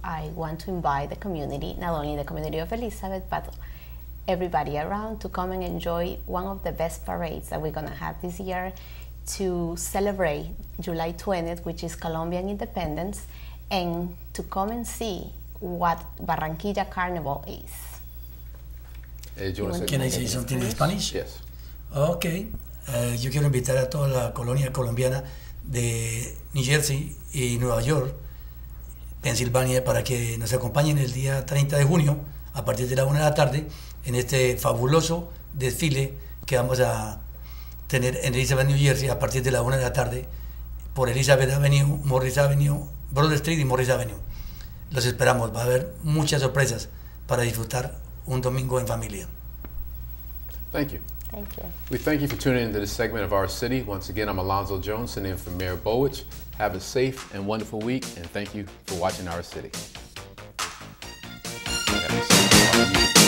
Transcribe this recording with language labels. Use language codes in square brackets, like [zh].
[en] I want to invite the community, not only the community of Elizabeth, but everybody around to come and enjoy one of the best parades that we're going to have this year to celebrate July 20th, which is Colombian Independence, and to come and see what Barranquilla Carnival is. Can I say something in Spanish? Yes. Okay. [es] Yo quiero invitar a toda la colonia colombiana de New Jersey y Nueva York, Pensilvania, para que nos acompañen el día 30 de junio a partir de la 1 de la tarde en este fabuloso desfile que vamos a tener en Elizabeth, New Jersey, a partir de la 1 de la tarde por Elizabeth Avenue, Morris Avenue, Broad Street y Morris Avenue. Los esperamos. Va a haber muchas sorpresas para disfrutar un domingo en familia. [en] Thank you. Thank you. We thank you for tuning into this segment of Our City. Once again, I'm Alonzo Jones, sitting in for Mayor Bowich. Have a safe and wonderful week, and thank you for watching Our City.